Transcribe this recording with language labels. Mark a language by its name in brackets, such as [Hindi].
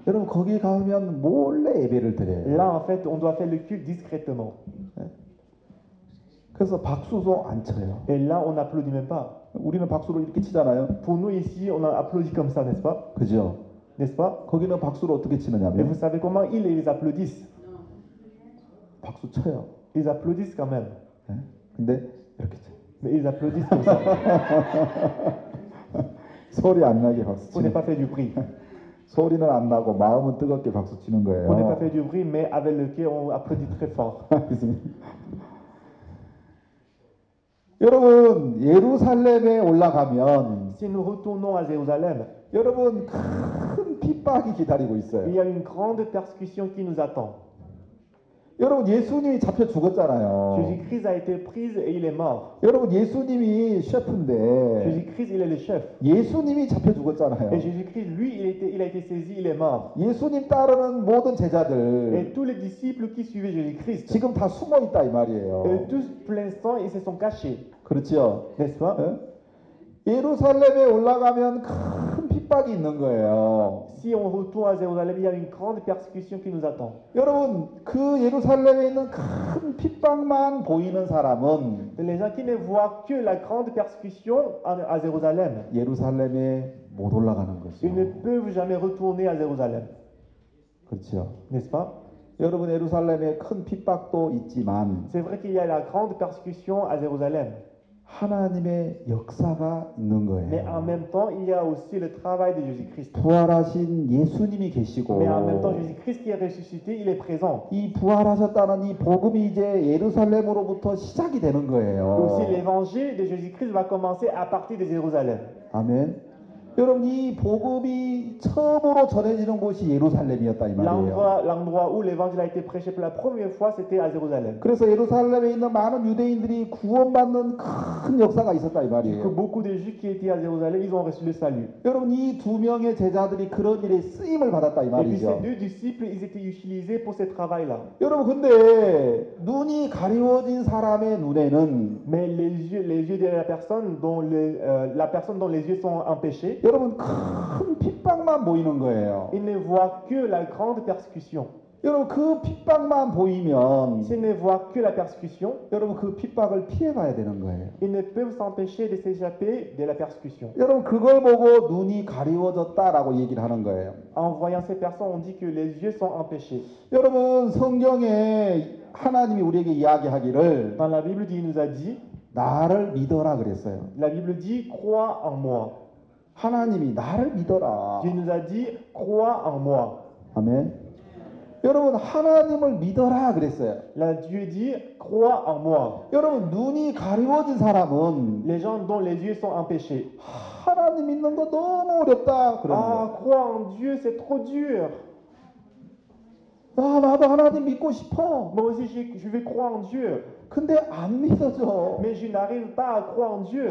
[Korean] 여러분 거기 가면 몰래 예배를 드려요. [French] Là, en fait, on doit faire le culte discrètement. [Korean] 그래서 박수도 안 쳐요. [French] Et là, on n'applaudit même pas. [Korean] 우리는 박수로 이렇게 치잖아요. [French] Pour nous, ici, on a applaudi comme ça, n'est-ce pas? [Korean] 그죠? [French] N'est-ce pas? [Korean] 거기는 박수로 어떻게 [French] Et vous [Korean] 치느냐면, [French] savez comment ils applaudissent? [Korean] 박수 쳐요. [French] Ils applaudissent quand même. [Korean] 근데 이렇게 쳐요. [French] Mais ils applaudissent comme ça. [Korean] Soli an nage baksu [French] On n'est pas fait du bruit. [Korean] Soli nan an nago, maeumun bteugeotge baksu chineun [French] On n'est pas fait du bruit, mais avec le cœur, on applaudit très fort. [Korean] 여러분, 예루살렘에 올라가면 [French] Si nous retournons à Jérusalem, [Korean] 여러분, 큰 핍박이 기다리고 있어요. [French] il y a une grande persécution qui nous attend. [Korean] 여러분 예수님이 잡혀 죽었잖아요. [French] Jésus-Christ a été pris et il est mort. [Korean] 여러분 예수님이 셰프인데 [French] Jésus-Christ, il est le chef. [Korean] 예수님이 잡혀 죽었잖아요. [French] Et Jésus-Christ, lui, il a été saisi, il est mort. [Korean] 예수님 따르는 모든 제자들 [French] Et tous les disciples qui suivaient Jésus-Christ, [Korean] 지금 다 숨어 있다 이 [French] Et tous, pour l'instant, ils se sont cachés. [Korean] 그렇죠? [French] N'est-ce pas? [Korean] 응? 예루살렘에 올라가면 큰 핍박이 있는 거예요. [French] Si on retourne à Jérusalem, il y a une grande persécution qui nous attend. [Korean] 여러분, 그 예루살렘에 있는 큰 핍박만 보이는 사람은 [French] Les gens qui ne voient que la grande persécution à Jérusalem, [Korean] 예루살렘에 못 올라가는 [French] ils ne peuvent jamais retourner à Jérusalem. [Korean] 그렇죠? [French] N'est-ce pas? [Korean] 여러분, 예루살렘에 큰 핍박도 있지만 [French] C'est vrai qu'il y a la grande persécution à Jérusalem. [Korean] 하나님의 역사가 있는 [French] Mais en même temps, il y a aussi le travail de Jésus-Christ. [Korean] 부활하신 예수님이 [French] Mais en même temps, Jésus-Christ qui est ressuscité, il est présent. [Korean] 이 부활하셨다는 이 복음이 이제 예루살렘으로부터 시작이 되는 [French] Aussi, [Korean] 거예요. [French] l'évangile de Jésus-Christ va commencer à partir de Jérusalem. [Korean] 아멘. 여러분, 이 복음이 처음으로 전해지는 곳이 예루살렘이었다 이 말이에요. [French] L'endroit où l'évangile a été prêché pour la première fois, c'était à Jérusalem. [Korean] 그래서 예루살렘에 있는 많은 유대인들이 구원받는 큰 역사가 있었다 이 말이에요. [French] Que beaucoup de Juifs qui étaient à Jérusalem, ils ont reçu le salut. [Korean] 여러분, 이 두 명의 제자들이 그런 일에 쓰임을 받았다 이 말이죠. [French] Et puis ces deux disciples, ils étaient utilisés pour ce travail-là. [Korean] 여러분, 근데 눈이 가려워진 사람의 눈에는 [French] Mais les yeux de la personne dont les yeux sont empêchés [Korean] 여러분 큰 핍박만 보이는 거예요. [French] Il ne voit que la grande persécution. [Korean] 여러분 그 핍박만 보이면 [French] S'il ne voit que la persécution, [Korean] 여러분 그 핍박을 피해 가야 되는 거예요. [French] Il ne peut s'empêcher de s'échapper de la persécution. [Korean] 여러분 그걸 보고 눈이 가리워졌다라고 얘기를 하는 거예요. [French] En voyant ces personnes, on dit que les yeux sont empêchés. [Korean] 여러분 성경에 하나님이 우리에게 이야기하기를 [French] Dans la Bible, Dieu nous a dit [Korean] 나를 믿어라 그랬어요. [French] La Bible dit crois en moi. [Korean] 하나님이 나를 믿어라. [French] Dieu nous a dit crois en moi. [Korean] 아멘. 여러분 하나님을 믿어라 그랬어요. [French] La Dieu dit crois en moi. [Korean] 여러분 눈이 가리워진 사람은 [French] Les gens dont les yeux sont empêchés. [Korean] 하나님 믿는 거 너무 어렵다. 그런 거. [French] Ah, crois en Dieu, c'est trop dur. [Korean] 아, 나도 하나님 믿고 싶어. [French] Moi aussi, je veux croire en Dieu. [Korean] 근데 안 믿어져. [French] Mais je n'arrive pas à croire en Dieu.